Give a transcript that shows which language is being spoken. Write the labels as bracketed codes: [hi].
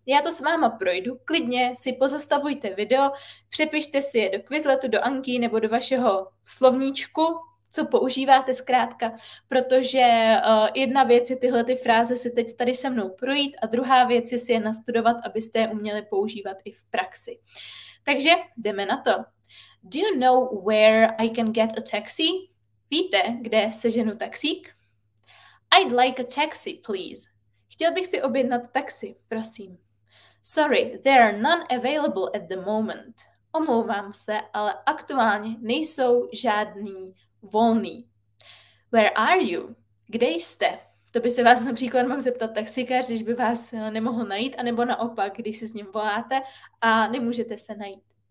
[cs] Já to s váma projdu, klidně si pozastavujte video, přepište si je do Quizletu, do Anki nebo do vašeho slovníčku, co používáte zkrátka, protože jedna věc je tyhle ty fráze si teď tady se mnou projít a druhá věc je si je nastudovat, abyste je uměli používat i v praxi. Takže jdeme na to. [en] Do you know where I can get a taxi? [cs] Víte, kde seženu taxík? [en] I'd like a taxi, please. [cs] Chtěl bych si objednat taxi, prosím. [en] Sorry, there are none available at the moment. [cs] Omlouvám se, ale aktuálně nejsou žádný volný. [en] Where are you? [cs] Kde jste? To by se vás například mohl zeptat taxikář, když by vás nemohl najít, anebo naopak, když si s ním voláte a nemůžete se najít.